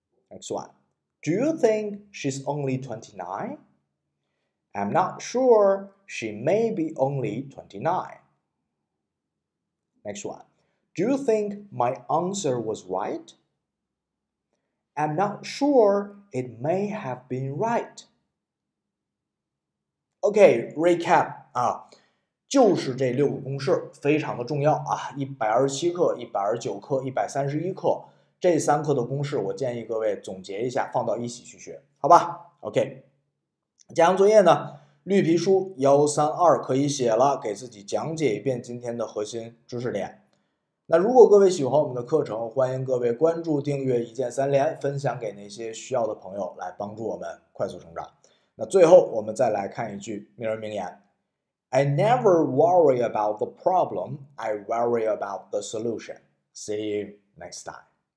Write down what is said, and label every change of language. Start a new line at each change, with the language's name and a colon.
English: Next one. Do you think she's only 29? I'm not sure she may be only 29. Next one. Do you think my answer was right? I'm not sure it may have been right. Okay, recap.
Chinese: 啊，就是这六个公式非常的重要啊。 127课、129课、131课，这三课的公式我建议各位总结一下，放到一起去学，好吧？ OK， 讲作业呢，绿皮书132可以写了，给自己讲解一遍今天的核心知识点。那如果各位喜欢我们的课程，欢迎各位关注、订阅、一键三连，分享给那些需要的朋友，来帮助我们快速成长。那最后我们再来看一句名人名言
English: I never worry about the problem, I worry about the solution. See you next time.